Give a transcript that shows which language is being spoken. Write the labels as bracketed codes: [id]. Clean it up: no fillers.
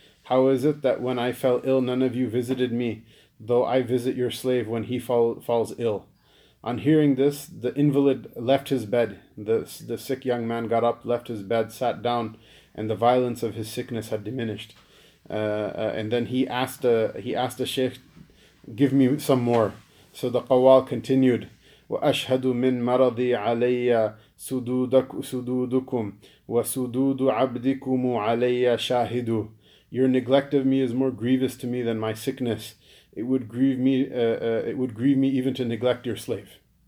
[en] How is it that when I fell ill, none of you visited me, though I visit your slave when he falls ill? On hearing this, the invalid left his bed. The sick young man got up, left his bed, sat down, and the violence of his sickness had diminished. And then he asked the sheikh, give me some more. So the qawwal continued, [ar] وَأَشْهَدُ مِنْ مَرَضِي عَلَيَّ سُدُودُكُمْ وَسُدُودُ عَبْدِكُمُ عَلَيَّ شَاهِدُ. [en] Your neglect of me is more grievous to me than my sickness. It would grieve me even to neglect your slave.